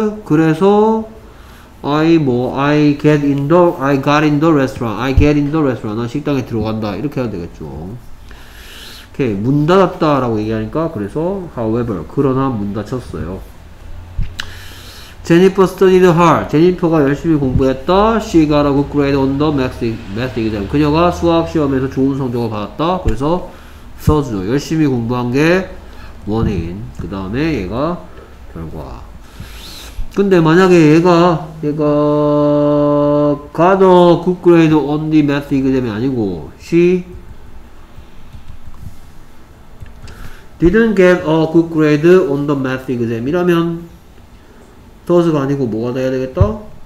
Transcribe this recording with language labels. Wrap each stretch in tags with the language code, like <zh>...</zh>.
<ko>그래서</ko> <en>I got in the restaurant.</en> <ko>난 식당에 들어간다. 이렇게 해야 되겠죠. 오케이. 문 닫았다 라고 얘기하니까 그래서 however. 그러나 문 닫혔어요.</ko> <en>Jennifer studied hard.</en> <ko>제니퍼가 열심히 공부했다.</ko> <en>She got a good grade on the math exam.</en> <ko>그녀가 수학 시험에서 좋은 성적을 받았다. 그래서 서주죠. 열심히 공부한 게 원인. 그 다음에 얘가 결과. 근데 만약에 얘가</ko> <en>got a good grade on the math exam</en> <ko>이 아니고</ko> <en>she didn't get a good grade on the math exam</en> <ko>이라면 does가 아니고 뭐가 돼야 되겠다?</ko>